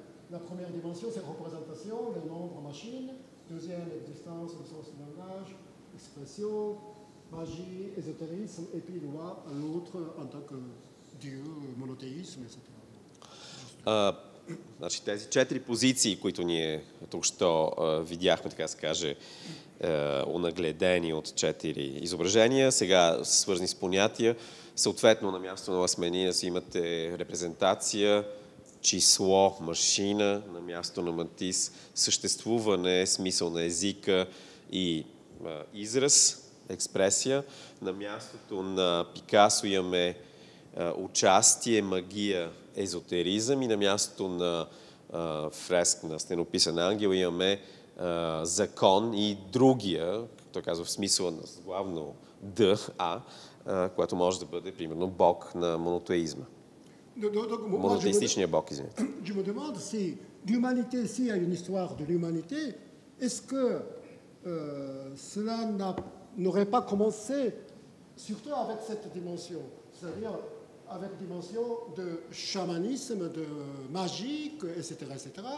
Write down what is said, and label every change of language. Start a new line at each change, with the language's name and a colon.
French: La première dimension, c'est représentation, le nombre machine. Deuxième, distance, le sens du langage, expression, magie, ésotérisme, et puis loi, l'autre en tant que dieu, monothéisme, etc.
Bulgarian: Значи, тези четири позиции, които ние току-що видяхме, така се каже, унагледени от четири изображения, сега свързани с понятия, съответно на място на Ласмениас имате репрезентация, число, машина, на място на Матис съществуване, смисъл на езика и израз, експресия, на мястото на Пикасо имаме участие, магия, езотеризъм и на мястото на фреск на стенописа на ангел имаме закон и другия, той казва в смисъл на главно дъх, което може да бъде примерно бог на монотеизма. Монотеистичния бог, извинете.
French: Je me demande si l'humanité, si il y a une histoire de l'humanité, est-ce que cela n'aurait pas commencé surtout avec cette dimension, c'est-à-dire avec dimension de chamanisme, de magie, etc., etc.